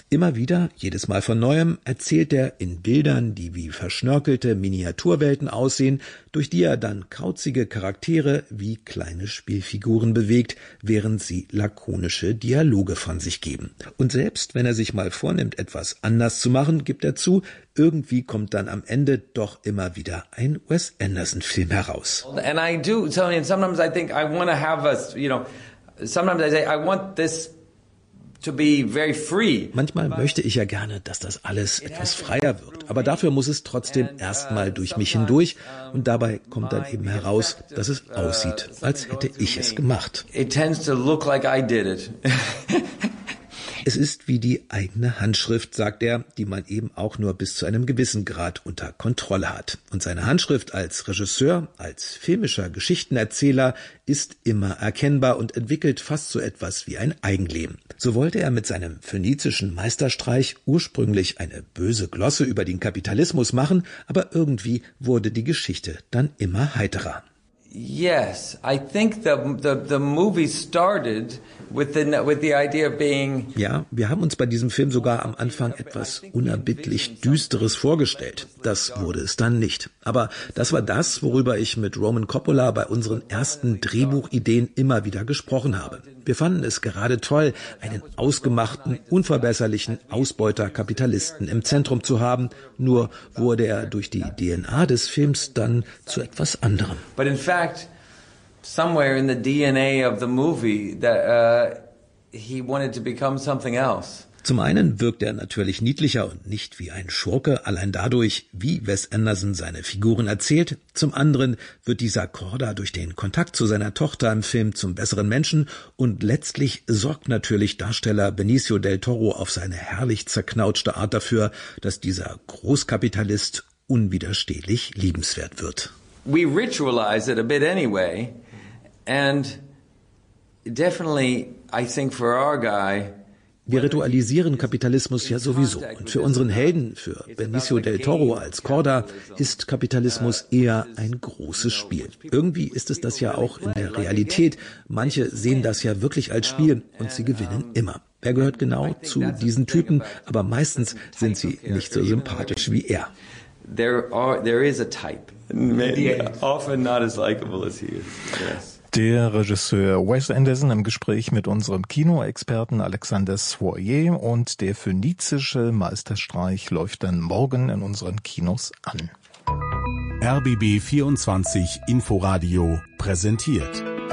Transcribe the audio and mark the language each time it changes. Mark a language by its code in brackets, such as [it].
[de] Immer wieder, jedes Mal von Neuem, erzählt er in Bildern, die wie verschnörkelte Miniaturwelten aussehen, durch die er dann kauzige Charaktere wie kleine Spielfiguren bewegt, während sie lakonische Dialoge von sich geben. Und selbst wenn er sich mal vornimmt, etwas anders zu machen, gibt er zu, irgendwie kommt dann am Ende doch immer wieder ein Wes Anderson-Film heraus. [en] And I do, Tony, and sometimes I think I want to have a, you know, sometimes I say I want this to be very free. [de] Manchmal möchte ich ja gerne, dass das alles etwas freier wird, aber dafür muss es trotzdem erstmal durch mich hindurch und dabei kommt dann eben heraus, dass es aussieht, als hätte ich es gemacht. [en] It tends to look like I did it. [de] Es ist wie die eigene Handschrift, sagt er, die man eben auch nur bis zu einem gewissen Grad unter Kontrolle hat. Und seine Handschrift als Regisseur, als filmischer Geschichtenerzähler ist immer erkennbar und entwickelt fast so etwas wie ein Eigenleben. So wollte er mit seinem phönizischen Meisterstreich ursprünglich eine böse Glosse über den Kapitalismus machen, aber irgendwie wurde die Geschichte dann immer heiterer. [en] Yes, I think the movie started with the idea of being. [de] Ja, wir haben uns bei diesem Film sogar am Anfang etwas unerbittlich Düsteres vorgestellt. Das wurde es dann nicht. Aber das war das, worüber ich mit Roman Coppola bei unseren ersten Drehbuchideen immer wieder gesprochen habe. Wir fanden es gerade toll, einen ausgemachten, unverbesserlichen Ausbeuterkapitalisten im Zentrum zu haben. Nur wurde er durch die DNA des Films dann zu etwas anderem. [en] But in fact, somewhere in the DNA of the movie, that he wanted to become something else. [de] Zum einen wirkt er natürlich niedlicher und nicht wie ein Schurke, allein dadurch, wie Wes Anderson seine Figuren erzählt. Zum anderen wird dieser Korda durch den Kontakt zu seiner Tochter im Film zum besseren Menschen und letztlich sorgt natürlich Darsteller Benicio del Toro auf seine herrlich zerknautschte Art dafür, dass dieser Großkapitalist unwiderstehlich liebenswert wird. [en] We ritualize it a bit anyway, and definitely I think for our guy. [de] Wir ritualisieren Kapitalismus ja sowieso. Und für unseren Helden, für Benicio del Toro als Korda, ist Kapitalismus eher ein großes Spiel. Irgendwie ist es das ja auch in der Realität. Manche sehen das ja wirklich als Spiel und sie gewinnen immer. Er gehört genau zu diesen Typen, aber meistens sind sie nicht so sympathisch wie er. [en] There is a type. Maybe often not as likable as he is. Yes. [de] Der Regisseur Wes Anderson im Gespräch mit unserem Kinoexperten Alexander Soyer und der phönizische Meisterstreich läuft dann morgen in unseren Kinos an. RBB 24 Inforadio präsentiert.